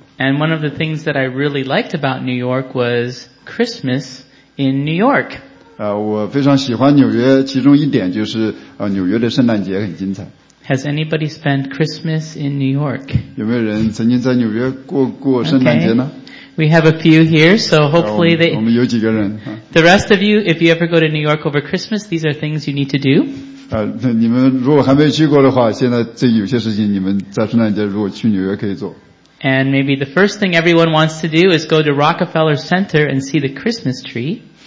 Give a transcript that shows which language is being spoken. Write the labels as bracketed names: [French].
[English] And one of the things that I really liked about New York was Christmas in New York. [Chinese] 我非常喜欢纽约，其中一点就是纽约的圣诞节很精彩。 [English] Has anybody spent Christmas in New York? [Chinese] 有没有人曾经在纽约过圣诞节呢？ [English] Okay. We have a few here, so hopefully the rest of you, if you ever go to New York over Christmas, these are things you need to do. [Chinese] 你们如果还没有去过的话，现在这有些事情你们在圣诞节如果去纽约可以做。 [English] And maybe the first thing everyone wants to do is go to Rockefeller Center and see the Christmas tree.